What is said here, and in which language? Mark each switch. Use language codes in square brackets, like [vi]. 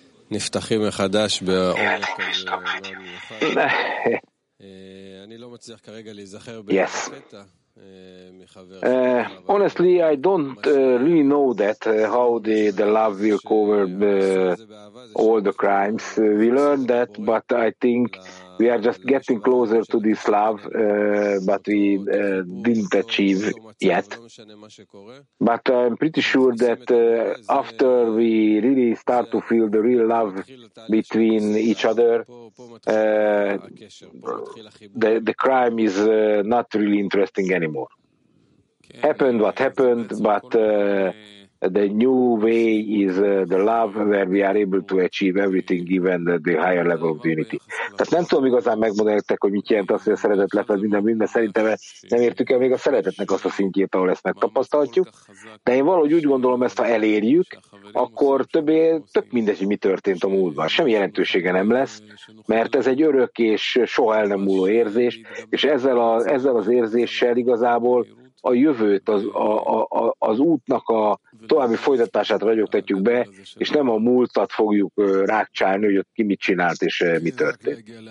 [he] נפתחים מחדש באורך כזה מאוד מיוחד. אני לא מצליח כרגע להיזכר בפתע מחבר. [en] Honestly, I don't really know that how the love will cover all the crimes. We learned that, but I think we are just getting closer to this love, but we didn't achieve yet. But I'm pretty sure that after we really start to feel the real love between each other, the crime is not really interesting anymore. Happened what happened, but the new way is the love where we are able to achieve everything given the higher level of unity. [hu] Tehát nem tudom igazán megmondani nektek, hogy mit jelent az, hogy a szeretet lefed minden, szerintem nem értük el még a szeretetnek azt a szintjét, ahol ezt megtapasztaltjuk. De én valahogy úgy gondolom, ezt ha elérjük, akkor többé, tök mindegy, mi történt a múltban. Semmi jelentősége nem lesz, mert ez egy örök és soha el nem múló érzés, és ezzel az érzéssel igazából a jövőt, az útnak a további folytatását ragyogtatjuk be, és nem a múltat fogjuk rákcsálni, hogy ott ki mit csinált, és mi történt.